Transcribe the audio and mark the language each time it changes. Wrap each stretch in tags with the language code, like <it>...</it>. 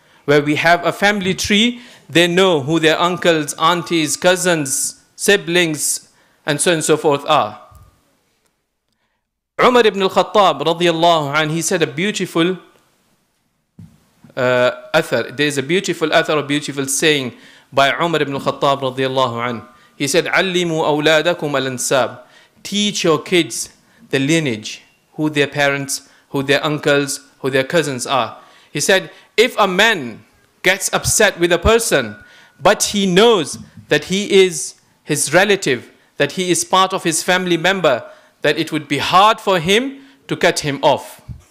<en>Where we have a family tree, they know who their uncles, aunties, cousins, siblings, and so on and so forth are. Umar ibn al-Khattab, radiallahu anhu, he said a beautiful,</en> <ar>أثر.</ar> <en>There is a beautiful أثر, a beautiful saying by Umar ibn al-Khattab</en> <ar>رضي الله عنه.</ar> <en>He said,</en> <ar>علموا أولادكم الأنساب.</ar> <en>Teach your kids the lineage, who their parents, who their uncles, who their cousins are. He said, if a man gets upset with a person, but he knows that he is his relative, that he is part of his family member, that it would be hard for him to cut him off.</en>